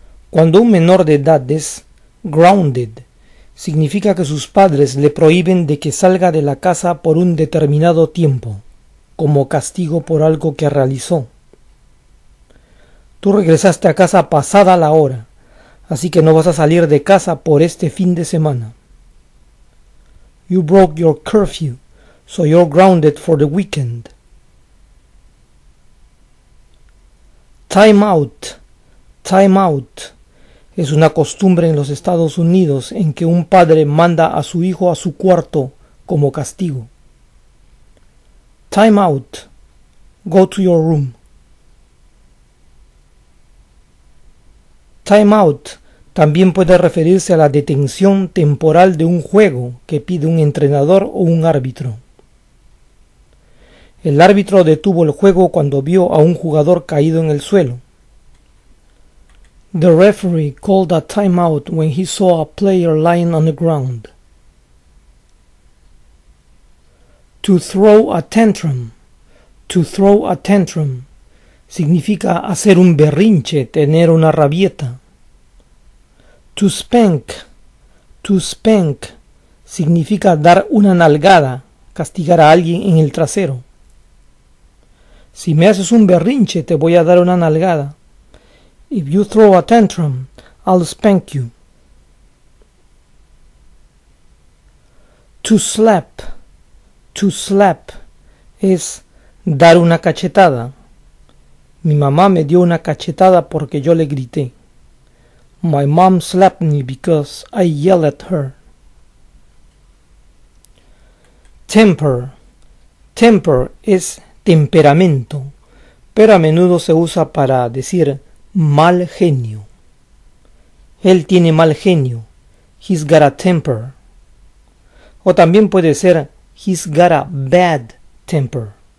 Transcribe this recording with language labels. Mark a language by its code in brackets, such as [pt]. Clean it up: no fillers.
[es] Cuando un menor de edad es grounded, significa que sus padres le prohíben de que salga de la casa por un determinado tiempo, como castigo por algo que realizó. Tú regresaste a casa pasada la hora, así que no vas a salir de casa por este fin de semana. [en] You broke your curfew, so you're grounded for the weekend. [es] Time out, es una costumbre en los Estados Unidos en que un padre manda a su hijo a su cuarto como castigo. [en] Time out. Go to your room. [es] Time out también puede referirse a la detención temporal de un juego que pide un entrenador o un árbitro. El árbitro detuvo el juego cuando vio a un jugador caído en el suelo. [en] The referee called a time out when he saw a player lying on the ground. To throw a tantrum. To throw a tantrum [es] significa hacer un berrinche, tener una rabieta. To spank significa dar una nalgada, castigar a alguien en el trasero. Si me haces un berrinche, te voy a dar una nalgada. [en] If you throw a tantrum, I'll spank you. [es] To slap es dar una cachetada. Mi mamá me dio una cachetada porque yo le grité. [en] My mom slapped me because I yelled at her. Temper. [es] Temper es temperamento, pero a menudo se usa para decir mal genio. Él tiene mal genio. [en] He's got a temper. [es] O también puede ser [en] he's got a bad temper.